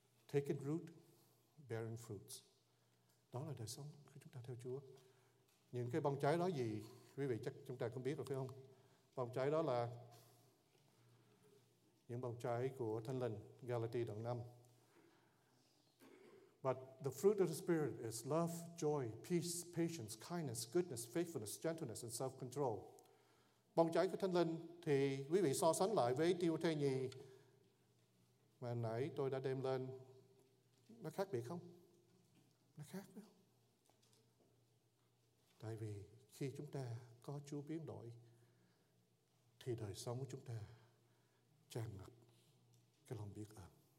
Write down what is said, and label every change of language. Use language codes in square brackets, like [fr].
[en] Taking root, bearing fruits. [vi] Đó là đời sống của chúng ta theo Chúa. Những cái bông trái đó gì? Quý vị chắc chúng ta cũng biết rồi phải không? Bông trái đó là những bông trái của Thánh Linh, Galati đoạn 5. [en] But the fruit of the Spirit is love, joy, peace, patience, kindness, goodness, faithfulness, gentleness, and self-control. [vi] Bông trái của Thánh Linh thì quý vị so sánh lại với Timôthê nhì mà nãy tôi đã đem lên, nó khác biệt không? Nó khác biệt. Tại vì khi chúng ta có Chúa biến đổi thì đời sống của chúng ta tràn ngập cái lòng biết ơn.